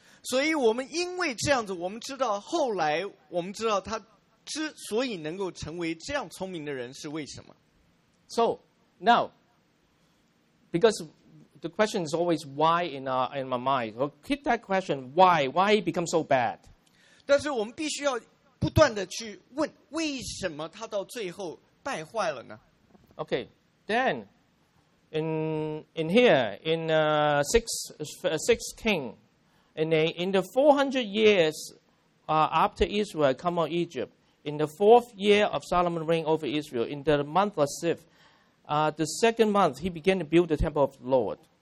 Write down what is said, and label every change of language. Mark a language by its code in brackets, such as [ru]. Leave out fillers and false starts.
[zh] 所以我们因为这样子，我们知道后来我们知道他之所以能够成为这样聪明的人是为什么。 [en] So now, because the question is always why in my mind. So keep that question why he become so bad. [zh] 但是我们必须要不断的去问为什么他到最后败坏了呢？ [en] Okay, then. In here, in six king, in the 400 years after Israel come out of Egypt, in the fourth year of Solomon's reign over Israel, in the month of Sif, the second month, he began to build the temple of the Lord.